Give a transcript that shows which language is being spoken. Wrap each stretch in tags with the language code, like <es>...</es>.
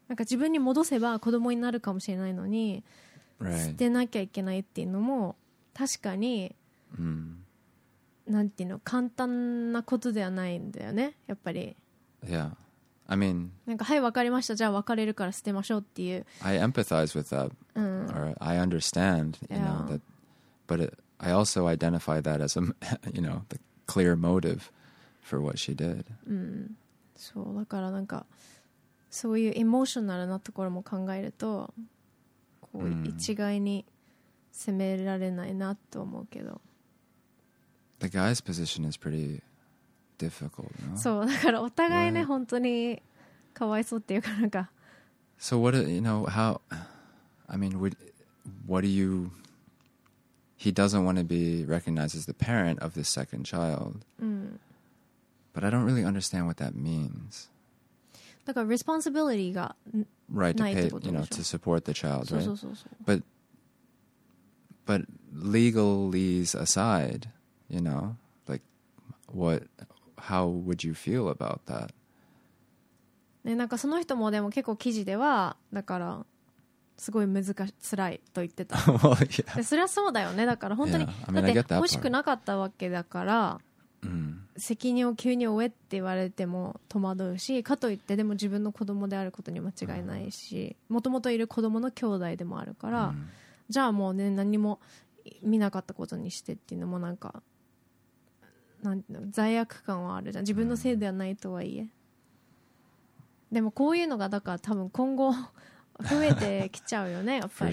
<ja>なんか自分に戻せば子供になるかもしれないのに、</ja> <en>right.</en> <ja>捨てなきゃいけないっていうのも確かに、 mm-hmm. なんていうの、簡単なことではないんだよね、やっぱり。</ja> <en>Yeah, I mean,</en> <ja>なんか、はい、分かりました、じゃあ別れるから捨てましょうっていう。</ja> <en>I empathize with that、 mm-hmm. or I understand, you、 yeah. know, that, but it, I also identify that as a, you know, the clear motive for what she did、 mm-hmm.</en> <ja>そう、だからなんかそういうエモーショナルなところも考えると、こう一概に責められないなと思うけど、うん、</ja> <en>The guy's position is pretty difficult, no?</en> <ja>そうだからお互いね、</ja> <en>what?</en> <ja>本当にかわいそうっていうか、なんか</ja> <en>So what, you know, how I mean, would, what do you He doesn't want to be recognized as the parent of this second child、うん、 But I don't really understand what that means.</en> <ja>だから responsibility がないってこと</ja> <en>Right, to pay, you know, to support the child, right?</en> <ja>そうそうそうそう。</ja> <en>But legalities aside, you know, like, what, how would you feel about that?</en> <ja>ね、なんかその人もでも結構記事では、だから、すごい難し、辛いと言ってた。</ja> <en>well, yeah.</en> <ja>で、それはそうだよね。だから本当に、</ja> <en>yeah. I mean,</en> <ja>だって欲しくなかったわけだから、うん、責任を急に負えって言われても戸惑うし、かといってでも自分の子供であることに間違いないし、もともといる子供の兄弟でもあるから、うん、じゃあもうね、何も見なかったことにしてっていうのも、なんか、なんていうの、罪悪感はあるじゃん、自分のせいではないとはいえ、うん、でもこういうのがだから多分今後増えてきちゃうよね、やっぱり</ja>